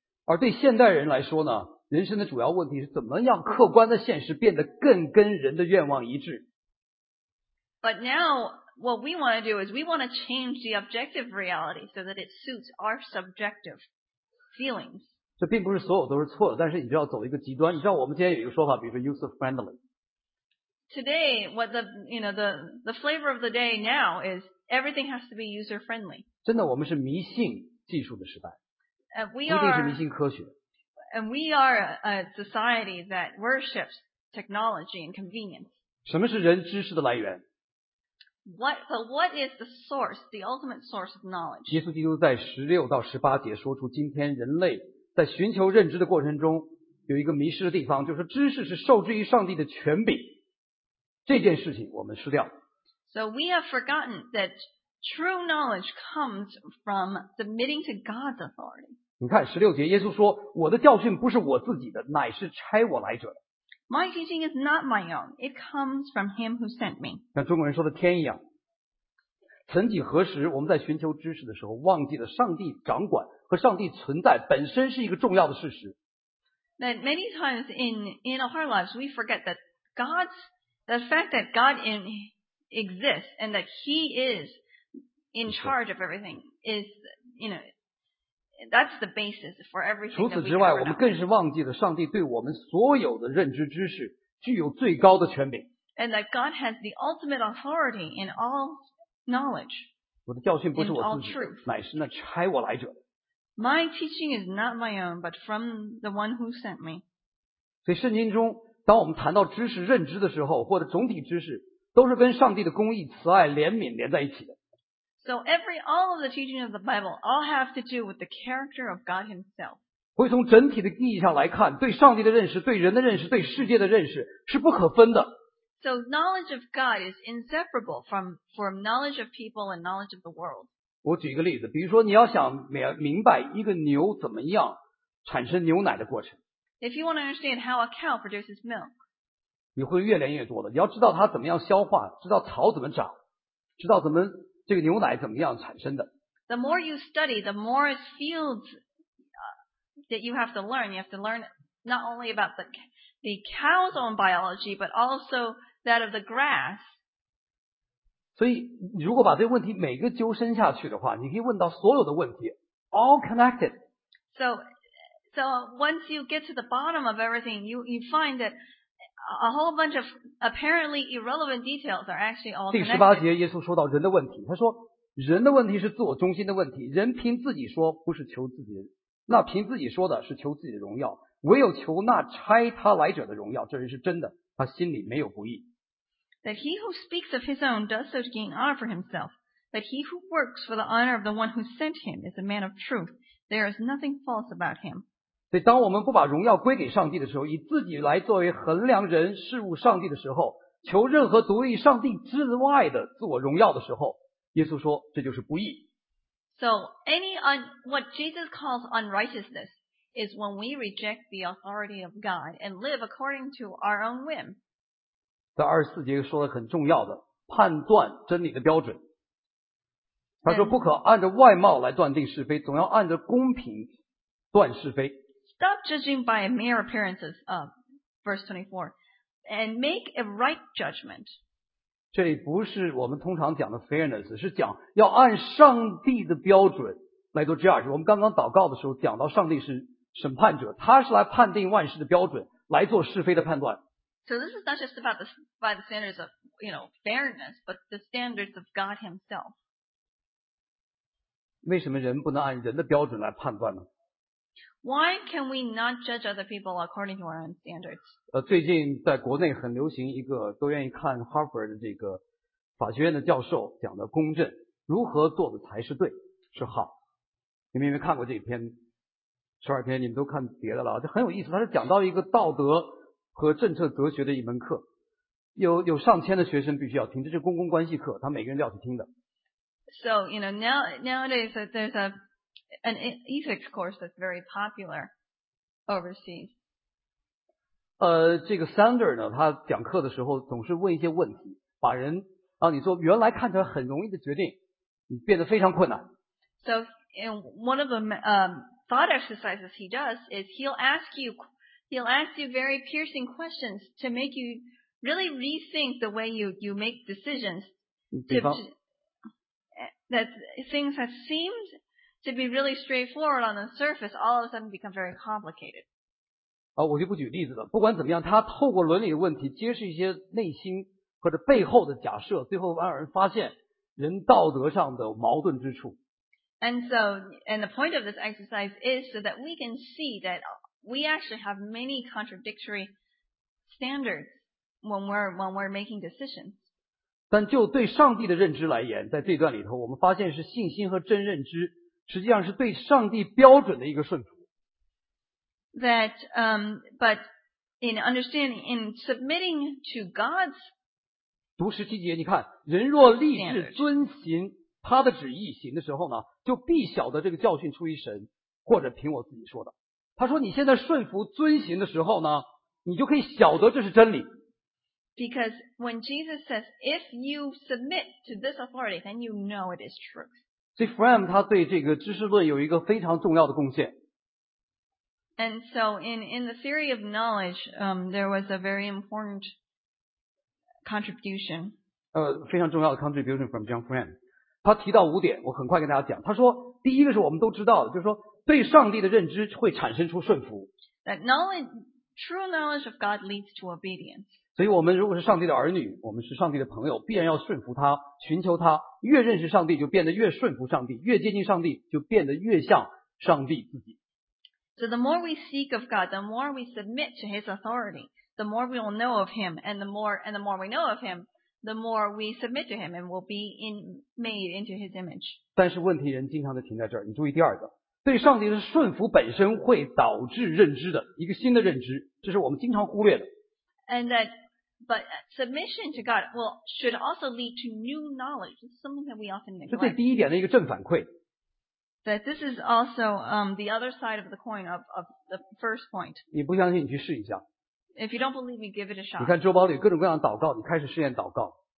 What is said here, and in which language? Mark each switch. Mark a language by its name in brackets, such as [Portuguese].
[Chinese] 而对现代人来说呢，人生的主要问题是怎么样客观的现实变得更跟人的愿望一致。 [English] But now,What we want to do is we want to change the objective reality so that it suits our subjective feelings. [Chinese] 这并不是所有都是错的，但是你就要走一个极端。你知道我们今天有一个说法，比如说 [English] user friendly. Today, what the flavor of the day now is everything has to be user friendly. [Chinese] 真的，我们是迷信技术的时代。 [English] And we are. [Chinese] 不一定是迷信科学。 [English] And we are a society that worships technology and convenience. [Chinese] 什么是人知识的来源？ [English] What is the source, the ultimate source of knowledge? [Chinese] 耶稣基督在16到18节说出今天人类在寻求认知的过程中有一个迷失的地方，就是知识是受制于上帝的权柄，这件事情我们失掉。 [English] So we have forgotten that true knowledge comes from submitting to God's authority. [Chinese] 你看16节耶稣说，我的教训不是我自己的，乃是差我来者的。 [English] My teaching is not my own. It comes from him who sent me. [Chinese] 像中国人说的天一样。曾几何时我们在寻求知识的时候忘记了上帝掌管和上帝存在本身是一个重要的事实。 [English] That many times in our lives we forget that the fact that God exists and that he is in charge of everything is, you know, that's the basis for everything. [Chinese] 除此之外我们更是忘记了上帝对我们所有的认知知识具有最高的权柄。 [English] And that God has the ultimate authority in all knowledge. [Chinese] 我的教训不是我自己的，乃是那差我来者的。 [English] My teaching is not my own, but from the one who sent me. [Chinese] 所以圣经中当我们谈到知识认知的时候或者总体知识都是跟上帝的公义慈爱怜悯连在一起的。 [English] So all of the teaching of the Bible all have to do with the character of God himself. [Chinese] 会从整体的意义上来看对上帝的认识对人的认识对世界的认识是不可分的。 [English] So knowledge of God is inseparable from knowledge of people and knowledge of the world. [Chinese] 我举一个例子，比如说你要想明白一个牛怎么样产生牛奶的过程。 [English] If you want to understand how a cow produces milk, [Chinese] 你会越练越多的，你要知道它怎么样消化，知道草怎么长，知道怎么这个牛奶怎么样产生的。 [English] The more you study, the more fields that you have to learn. You have to learn not only about the cow's own biology, but also that of the grass. [Chinese] 所以如果把这个问题每个揪深下去的话，你可以问到所有的问题 ， [English] all connected. So once you get to the bottom of everything, you find that a whole bunch of apparently irrelevant details are actually all connected. [Chinese] 第十八节耶稣说到人的问题，他说人的问题是自我中心的问题，人凭自己说不是求自己，那凭自己说的是求自己的荣耀，唯有求那差他来者的荣耀，这人是真的，他心里没有不义。 [English] That he who speaks of his own does so to gain honor for himself, but he who works for the honor of the one who sent him is a man of truth. There is nothing false about him. [Chinese] 所以当我们不把荣耀归给上帝的时候，以自己来作为衡量人事物上帝的时候，求任何独立上帝之外的自我荣耀的时候，耶稣说这就是不义。 [English] So what Jesus calls unrighteousness is when we reject the authority of God and live according to our own whim. [Chinese] 在二十四节说的很重要的判断真理的标准，他说不可按着外貌来断定是非，总要按着公平断是非。 [English] Stop judging by mere appearances, verse 24, and make a right judgment. [Chinese] 这里不是我们通常讲的 fairness, 是讲要按上帝的标准来做 judge。 我们刚刚祷告的时候讲到上帝是审判者，他是来判定万事的标准来做是非的判断。 [English] So this is not just about by the standards of, you know, fairness, but the standards of God himself. [Chinese] 为什么人不能按人的标准来判断呢？ [English] Why can we not judge other people according to our own standards? [Chinese] 最近在国内很流行一个都愿意看 Harvard 的这个法学院的教授讲的公正，如何做的才是对，是好。你们有没有看过这篇十二篇？你们都看别的了，这很有意思。他是讲到一个道德和政策哲学的一门课，有上千的学生必须要听，这是公共关系课，他每个人都要去听的。 [English] So you know nowadays there's an ethics course that's very popular overseas. [Chinese] 这个 Sander 呢，他讲课的时候总是问一些问题，把人让你做原来看起来很容易的决定，你变得非常困难。 [English] So in one of the thought exercises he does is he'll ask you very piercing questions to make you really rethink the way you make decisions. That things that seemed to be really straightforward on the surface, all of a sudden become very complicated. [Chinese] 我就不举例子了。不管怎么样，他透过伦理的问题揭示一些内心或者背后的假设，最后让人发现人道德上的矛盾之处。 [English] And the point of this exercise is so that we can see that we actually have many contradictory standards when we're making decisions. [Chinese] 但就对上帝的认知来言，在这段里头我们发现是信心和真认知，实际上是对上帝标准的一个顺服。 [English] That, but in understanding, in submitting to God's, [Chinese] 读十七节，你看，人若立志遵行他的旨意行的时候呢，就必晓得这个教训出于神，或者凭我自己说的。他说你现在顺服遵行的时候呢，你就可以晓得这是真理。 [English] Because when Jesus says, if you submit to this authority, then you know it is truth. [Chinese] 所以 Fram 他对这个知识论有一个非常重要的贡献。 [English] And so in the theory of knowledge, there was a very important contribution. [Chinese] 非常重要的 [English] contribution from John Fram. [Chinese] 他提到五点，我很快跟大家讲。他说第一个是我们都知道的，就是说对上帝的认知会产生出顺服。 [English] That knowledge, true knowledge of God leads to obedience. [Chinese] 所以我们如果是上帝的儿女，我们是上帝的朋友，必然要顺服他，寻求他。越认识上帝就变得越顺服上帝，越接近上帝就变得越像上帝自己。 [English] So the more we seek of God, the more we submit to His authority, the more we will know of Him, and the more we know of Him, the more we submit to Him and will be made into His image. [Chinese] 但是问题人经常的停在这儿，你注意第二个，对上帝的顺服本身会导致认知的一个新的认知，这是我们经常忽略的。 [English] And that, but submission to God will should also lead to new knowledge. It's something that we often neglect. [Chinese] 这是第一点的一个正反馈。 [English] That this is also the other side of the coin of the first point. [Chinese] 你不相信，你去试一下。 [English] If you don't believe me, give it a shot. [Chinese] 你看周报里各种各样的祷告，你开始试验祷告。